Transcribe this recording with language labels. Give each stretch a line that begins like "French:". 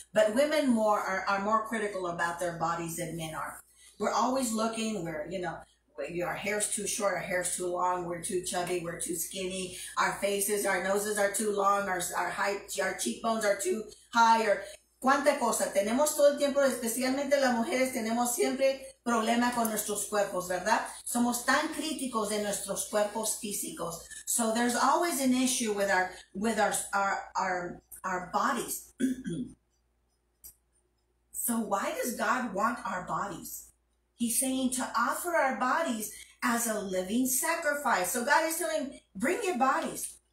English: But women are more critical about their bodies than men are. We're always looking, we're, you know, our hair's too short, our hair's too long, we're too chubby, we're too skinny, our faces, our noses are too long, our height, our cheekbones are too high, or
Spanish: cuánta cosa. Tenemos todo el tiempo, especialmente las mujeres, tenemos siempre problema con nuestros cuerpos, ¿verdad? Somos tan críticos de nuestros cuerpos físicos.
English: So there's always an issue with our bodies. So why does God want our bodies? He's saying to offer our bodies as a living sacrifice. So God is telling, bring your bodies.